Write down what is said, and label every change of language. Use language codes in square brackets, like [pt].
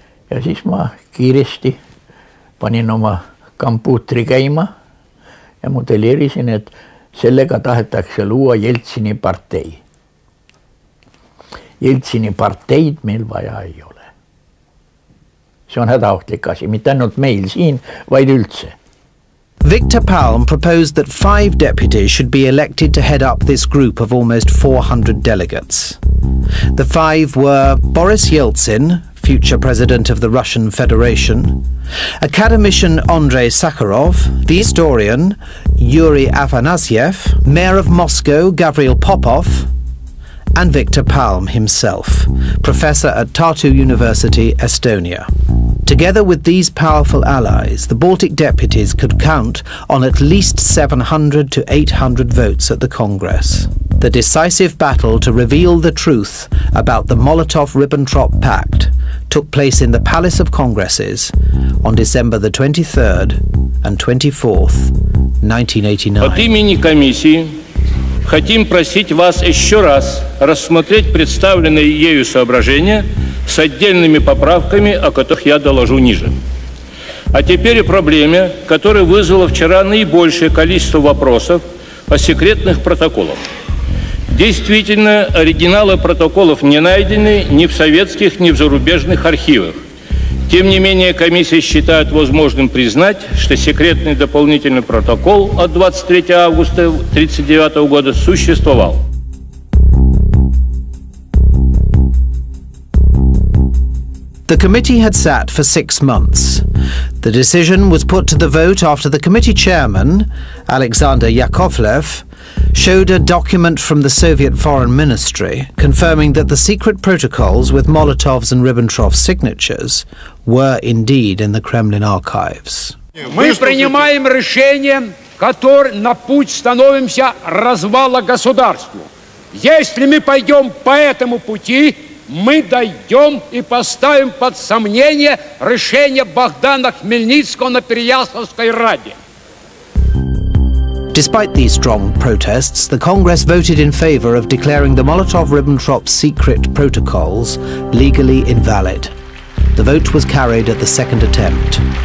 [et] Ja siis ma kiiresti panin oma kompuutri käima ja modelleerisin, et sellega tahetakse luua Jeltsini partei. Jeltsini parteid meil vaja ei ole. See on hädaohtlik asi, mitte ainult meil siin, vaid üldse. [en] Viktor Palm proposed that five deputies should be elected to head up this group of almost 400 delegates. The five were Boris Yeltsin, future president of the Russian Federation, academician Andrei Sakharov, the historian Yuri Afanasyev, mayor of Moscow Gavril Popov, and Viktor Palm himself, professor at Tartu University, Estonia. Together with these powerful allies, the Baltic deputies could count on at least 700 to 800 votes at the Congress. The decisive battle to reveal the truth about the Molotov-Ribbentrop Pact took place in the Palace of Congresses on December the 23rd and 24th, 1989. [ru] От имени комиссии хотим просить вас еще раз рассмотреть представленные ею соображения с отдельными поправками, о которых я доложу ниже. А теперь о проблеме, которая вызвала вчера наибольшее количество вопросов о секретных протоколах. Действительно, оригиналы протоколов не найдены ни в советских, ни в зарубежных архивах. Тем не менее, комиссия считает возможным признать, что секретный дополнительный протокол от 23 августа 1939 года существовал. [en] The The committee had sat for 6 months. The decision was put to the vote after the committee chairman, Alexander Yakovlev, showed a document from the Soviet Foreign Ministry confirming that the secret protocols with Molotov's and Ribbentrop's signatures were indeed in the Kremlin archives. [ru] Мы принимаем решение, которое на путь становимся развала государства. Если мы пойдем по этому пути, мы дойдем и поставим под сомнение решение Богдана Хмельницкого на Переяславской раде. [en] Despite these strong protests, the Congress voted in favor of declaring the Molotov-Ribbentrop secret protocols legally invalid. The vote was carried at the second attempt.